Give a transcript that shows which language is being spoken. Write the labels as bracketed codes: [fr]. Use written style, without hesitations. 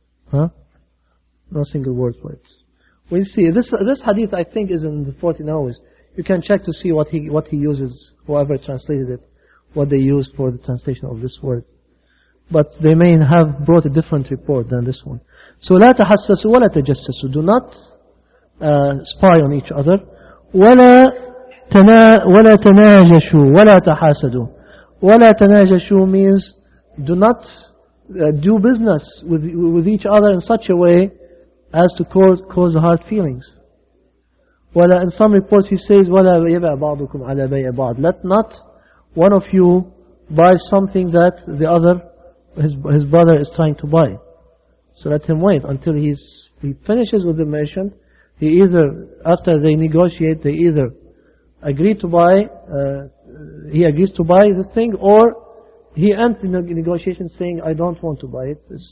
[en] Huh? No single word for it. We see this hadith. I think is in the 49. You can check to see what he uses, whoever translated it, what they use for the translation of this word. But they may have brought a different report than this one. [ar] So لا تحسسوا ولا تجسسوا. [en] Do not spy on each other. [ar] ولا تناجشوا ولا تحاسدوا. ولا تناجشوا [en] means do not do business with each other in such a way as to cause hard feelings. [ar] ولا, [en] in some reports he says [ar] ولا يبع بعضكم على بيع بعض. [en] Let not one of you buy something that the other, his brother is trying to buy. So let him wait until he finishes with the merchant. He either, after they negotiate, they either agree to buy, he agrees to buy the thing, or he ends the negotiation saying, I don't want to buy it.